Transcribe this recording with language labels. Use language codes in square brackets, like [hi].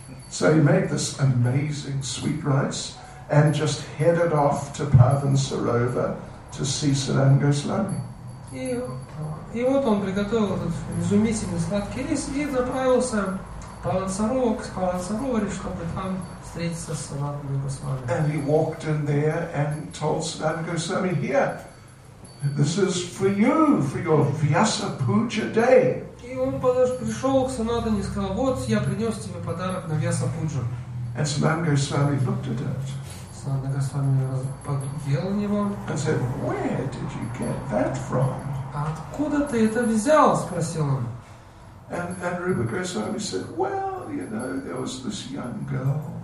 [en] So he made this amazing sweet rice and just headed off to Pavan Sarovar to see Sanatana Goswami. [ru] И вот он приготовил этот изумительный сладкий рис и направился Павансарова, чтобы там встретиться с Санатаной Госвами. [en] And he walked in there and told Sanatana Goswami, here, this is for you, for your Vyasa Puja day. [ru] И он пришел к Санатане и сказал, вот, я принес тебе подарок на Вьяса Пуджу. [en] And Sanatana Goswami looked at it. [ru] Санатана Госвами поглядел на него. [en] And said, where did you get that from? [ru] Откуда ты это взял? Спросил он. [en] And Rupa Goswami said, well, you know, there was this young girl.